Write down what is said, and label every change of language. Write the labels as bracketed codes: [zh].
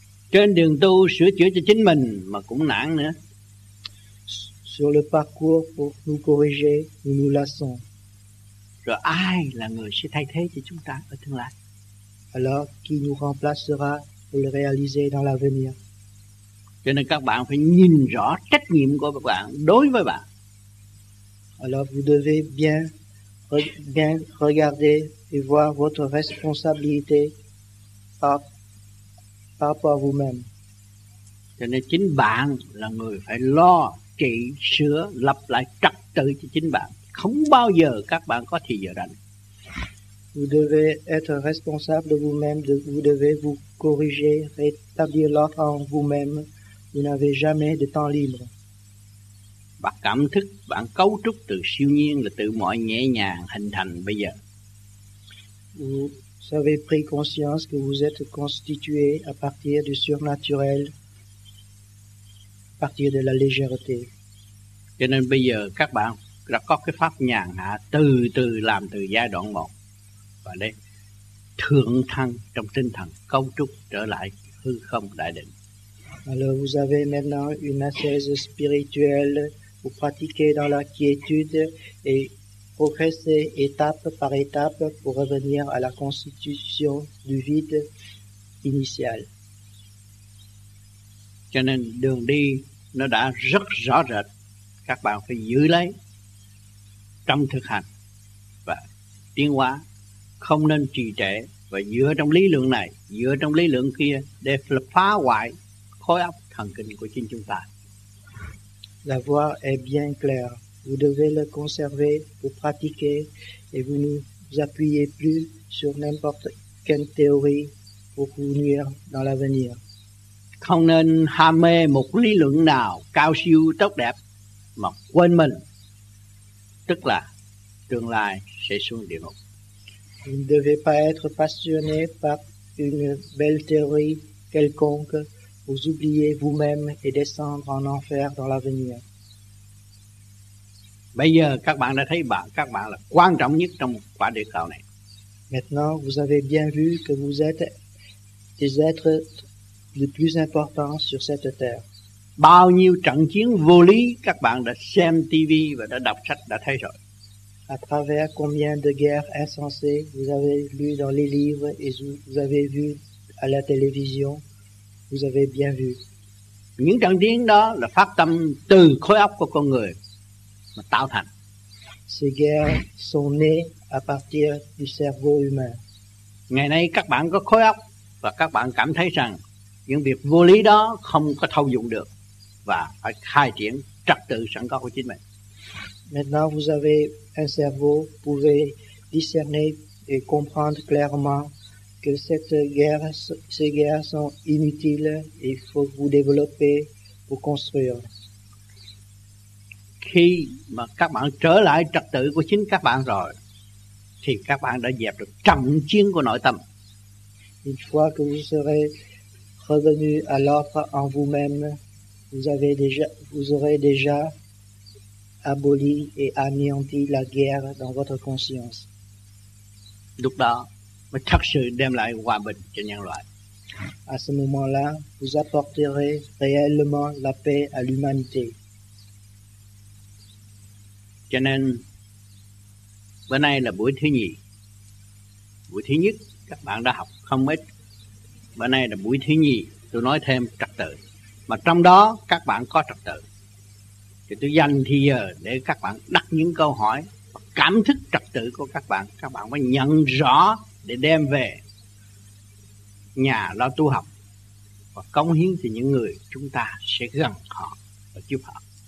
[vi] Trên đường tu sửa chữa cho chính mình mà cũng nản nữa. [fr] Sur le parcours pour nous corriger, nous nous lassons. [vi] Rồi ai là người sẽ thay thế cho chúng ta ở tương lai? [fr] Alors, qui nous remplacera pour le réaliser dans l'avenir? [vi] Cho nên các bạn phải nhìn rõ trách nhiệm của các bạn đối với bạn. [fr] Alors, vous devez bien regarder et voir votre responsabilité par rapport à vous-même. [vi] Cho nên chính bạn là người phải lo, trị, sửa, lập lại trật tự cho chính bạn. Không bao giờ các bạn có thì giờ rảnh. [fr] Vous devez être responsable de vous-même, vous devez vous corriger, rétablir l'ordre en vous-même. Vous n'avez jamais de temps libre. [vi] Bạn cảm thức, bạn cấu trúc từ siêu nhiên là từ mọi nhẹ nhàng hình thành bây giờ. [fr] Vous avez pris conscience que vous êtes constitué à partir du surnaturel, à partir de la légèreté. [vi] Cho nên bây giờ các bạn đã có cái pháp nhàn hạ từ từ làm từ giai đoạn một. Và đây thượng thăng trong tinh thần cấu trúc trở lại hư không đại định. [fr] Alors vous avez maintenant une assise spirituelle, vous pratiquez dans la quiétude et progressez étape par étape pour revenir à la constitution du vide initial. [vi] Cho nên đường đi nó đã rất rõ rệt, các bạn phải giữ lấy trong thực hành và tiến hóa. Không nên trì trệ và dựa trong lý luận này, dựa trong lý luận kia để phá hoại khối óc thần kinh của chính chúng ta. [fr] La voie est bien claire. Vous devez le conserver pour pratiquer et vous ne vous appuyez plus sur n'importe quelle théorie pour vous nuire dans l'avenir. [vi] Không nên ham mê một lý luận nào cao siêu tốt đẹp mà quên mình, tức là tương lai sẽ xuống địa ngục. [fr] Vous ne devez pas être passionné par une belle théorie quelconque, vous oubliez vous-même et descendre en enfer dans l'avenir. [vi] Bây giờ các bạn đã thấy các bạn là quan trọng nhất trong quả địa cầu này. [fr] Maintenant, vous avez bien vu que vous êtes des êtres les plus importants sur cette terre. [vi] Bao nhiêu trận chiến vô lý các bạn đã xem TV và đã đọc sách đã thấy rồi. [fr] À travers combien de guerres insensées vous avez lu dans les livres et vous avez vu à la télévision, vous avez bien vu. [vi] Những trận chiến đó là phát tâm từ khối óc của con người mà tạo thành. [fr] ces guerres sont nées à partir du cerveau humain. [vi] Ngày nay các bạn có khối óc và các bạn cảm thấy rằng những việc vô lý đó không có thâu dụng được và phải khai triển trật tự sẵn có của chính mình. [fr] Maintenant vous avez un cerveau, pouvez discerner et comprendre clairement que cette guerre, ces guerres sont inutiles et il faut vous développer pour construire. [vi] Khi mà các bạn trở lại trật tự của chính các bạn rồi, thì các bạn đã dẹp được trận chiến của nội tâm. [fr] Une fois que vous serez revenu à l'ordre en vous-même, vous aurez déjà aboli et anéanti la guerre dans votre conscience. [vi] Lúc đó, mới thật sự đem lại hòa bình cho nhân loại. [fr] À ce moment-là, vous apporterez réellement la paix à l'humanité. [vi] Cho nên, bữa nay là buổi thứ nhì. Buổi thứ nhất, các bạn đã học không ít. Bữa nay là buổi thứ nhì, tôi nói thêm trật tự. Mà trong đó, các bạn có trật tự. Thì tôi dành thì giờ để các bạn đặt những câu hỏi, cảm thức trật tự của các bạn mới nhận rõ để đem về nhà lo tu học và cống hiến cho những người chúng ta sẽ gần họ và giúp họ.